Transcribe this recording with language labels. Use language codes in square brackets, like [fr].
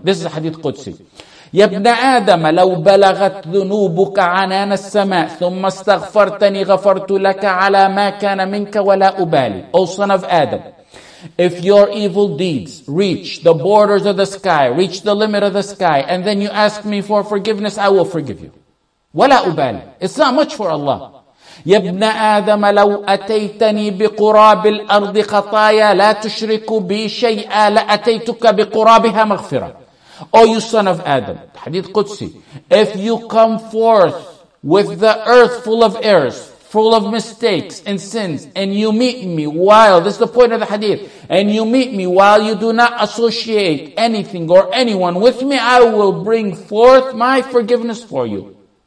[en] This is a hadith Qudsi. [ar] يَا ابْنَ آدَمَ لَوْ بَلَغَتْ ذُنُوبُكَ عَنَانَ السَّمَاءِ ثُمَّ اسْتَغْفَرْتَنِي غَفَرْتُ لَكَ عَلَى مَا كَانَ مِنْكَ وَلَا أُبَالِي. [en] O son of Adam, if your evil deeds reach the borders of the sky, reach the limit of the sky, and then you ask me for forgiveness, I will forgive you. [ar] ولا أبالي. [en] It's not much for Allah. [ar] يا ابن آدم لو أتيتني بقراب الأرض خطايا لا تشرك بي شيئا لأتيتك بقرابها مغفرة. [en] Oh, you son of Adam. [ar] حديث قدسي. [en] If you come forth with the earth full of errors, full of mistakes and sins, and you meet me while, this is the point of the hadith, and you meet me while you do not associate anything or anyone with me, I will bring forth my forgiveness for you.